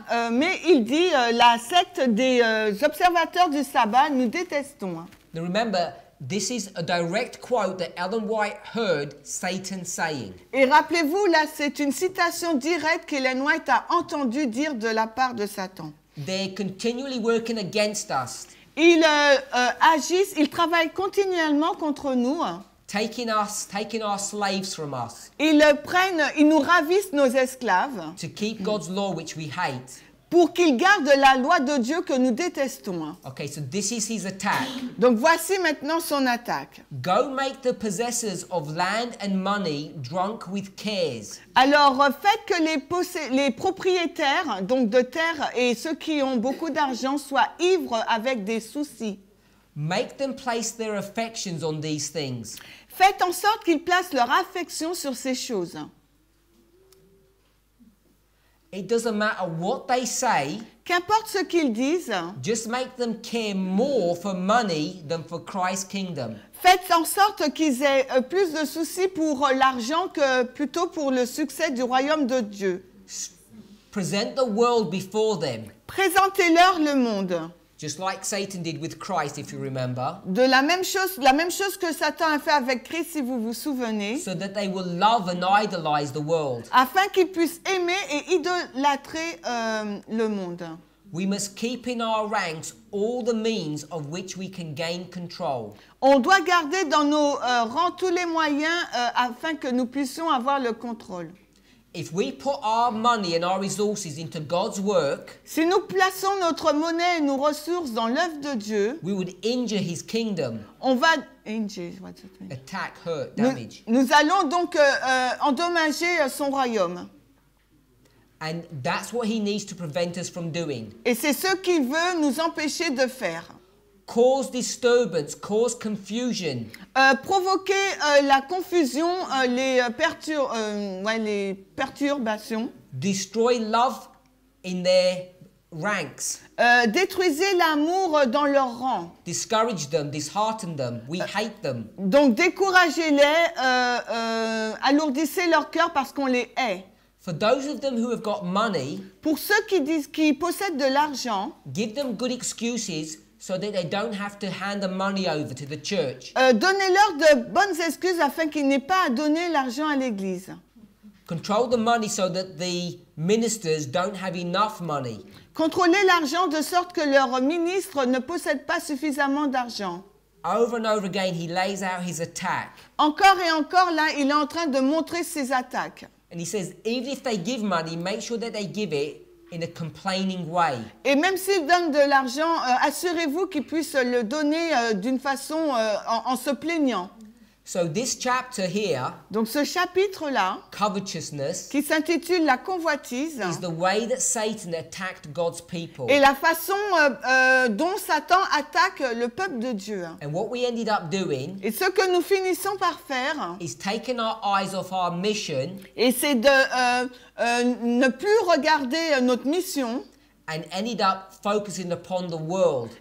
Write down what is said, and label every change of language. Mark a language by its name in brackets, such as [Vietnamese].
[French] Mais il dit la secte des observateurs du sabbat nous détestons. [English] Now remember, this is a direct quote that Ellen White heard Satan saying. [French] Et rappelez-vous là, c'est une citation directe qu'Ellen White a entendu dire de la part de Satan. [English] They're continually working against us. [French] Ils travaillent continuellement contre nous. [English] Taking our slaves from us. [French] Ils nous ravissent nos esclaves. [English] To keep God's law which we hate. [French] Pour qu'ils gardent la loi de Dieu que nous détestons. [English] Okay, so this is his attack. [French] Donc voici maintenant son attaque. [English] Go make the possessors of land and money drunk with cares. [French] Alors faites que les propriétaires donc de terre et ceux qui ont beaucoup d'argent soient ivres avec des soucis. [English] Make them place their affections on these things. [French] Faites en sorte qu'ils placent leur affection sur ces choses. [English] It doesn't matter what they say. [French] Qu'importe ce qu'ils disent. [English] Just make them care more for money than for Christ's kingdom. [French] Faites en sorte qu'ils aient plus de soucis pour l'argent que plutôt pour le succès du royaume de Dieu. [English] Present the world before them. [French] Présentez-leur le monde. [English] Just like Satan did with Christ, if you remember. [French] De la même chose que Satan a fait avec Christ, si vous vous souvenez. [English] So that they will love and idolize the world. [French] Afin qu'ils puissent aimer et idolâtrer le monde. [English] We must keep in our ranks all the means of which we can gain control. [French] On doit garder dans nos rangs tous les moyens afin que nous puissions avoir le contrôle. [English] If we put our money and our resources into God's work, [French] si nous plaçons notre monnaie et nos ressources dans l'œuvre de Dieu, [English] we would injure His kingdom. [French] On va injure, [English] what's it mean? Attack, hurt, damage. [French] Nous allons donc endommager son royaume. [English] And that's what He needs to prevent us from doing. [French] Et c'est ce qu'il veut nous empêcher de faire. [English] Cause disturbance, cause confusion. [French] Provoquer la confusion, les perturbations. [English] Destroy love in their ranks. [French] Détruisez l'amour dans leur rang. [English] Discourage them, dishearten them, we hate them. [French] Donc découragez-les, alourdissez leur cœur parce qu'on les hait. [English] For those of them who have got money, [French] pour ceux qui possèdent de l'argent, [English] give them good excuses. So that they don't have to hand the money over to the church. [French] Donnez-leur de bonnes excuses afin qu'ils n'aient pas à donner l'argent à l'église. [English] Control the money so that the ministers don't have enough money. [French] Contrôlez l'argent de sorte que leurs ministres ne possèdent pas suffisamment d'argent. [English] Over and over again, he lays out his attack. [French] Encore et encore, là, il est en train de montrer ses attaques. [English] And he says, even if they give money, make sure that they give it in a complaining way. [French] Et même s'ils donnent de l'argent, assurez-vous qu'ils puissent le donner d'une façon en se plaignant. [English] So this chapter here, [French] donc ce chapitre là, [English] covetousness, [French] qui s'intitule la convoitise, [English] is the way that Satan attacked God's people. [French] Et la façon dont Satan attaque le peuple de Dieu. [English] And what we ended up doing, [French] et ce que nous finissons par faire, [English] is taking our eyes off our mission, [French] et c'est de ne plus regarder notre mission. [English] And ended up focusing upon the world.